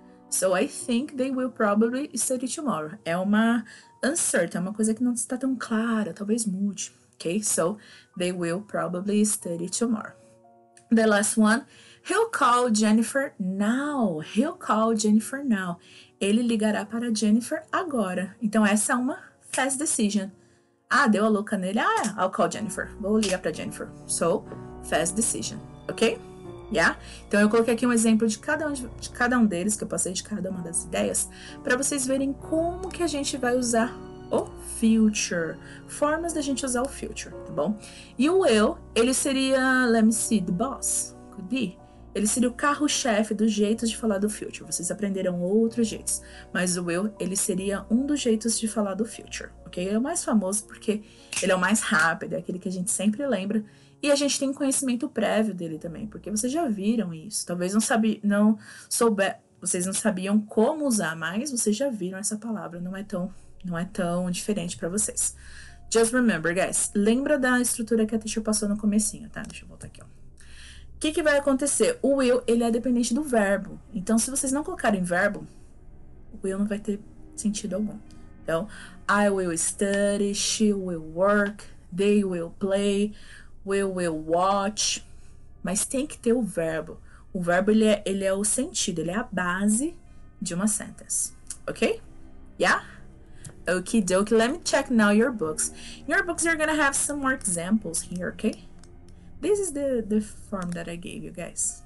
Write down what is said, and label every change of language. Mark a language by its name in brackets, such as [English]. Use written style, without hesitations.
[English] So, I think they will probably study tomorrow. [Portuguese] É uma uncertain. É uma coisa que não está tão clara. Talvez mude. [English] Okay, so they will probably study tomorrow. The last one, he'll call Jennifer now. He'll call Jennifer now. [Portuguese] Ele ligará para Jennifer agora. Então, essa é uma fast decision. Ah, deu a louca nele. [English] Ah, I'll call Jennifer. [Portuguese] Vou ligar para Jennifer. [English] So, fast decision. Ok? Yeah? [Portuguese] Então, eu coloquei aqui um exemplo de cada um deles, que eu passei de cada uma das ideias, para vocês verem como que a gente vai usar o future, formas da gente usar o future, tá bom? E o will, ele seria, [English] let me see, the boss, could be. [Portuguese] Ele seria o carro-chefe dos jeitos de falar do future. Vocês aprenderam outros jeitos, mas o will, ele seria um dos jeitos de falar do future, ok? É o mais famoso porque ele é o mais rápido, é aquele que a gente sempre lembra E a gente tem conhecimento prévio dele também, porque vocês já viram isso. Talvez não sabe, não souber, vocês não sabiam como usar, mas vocês já viram essa palavra. Não é tão diferente para vocês. [English] Just remember, guys. [Portuguese] Lembra da estrutura que a Tisha passou no comecinho, tá? Deixa eu voltar aqui, ó. O que vai acontecer? O will, ele é dependente do verbo. Então, se vocês não colocarem verbo, o will não vai ter sentido algum. [English] Então, I will study, she will work, they will play, we will watch. [Portuguese] Mas tem que ter o verbo. O verbo, ele é o sentido, ele é a base de uma sentence. [English] Ok? Yeah? Okie dokie, let me check now your books. Your books are gonna have some more examples here, okay? This is the form that I gave you guys.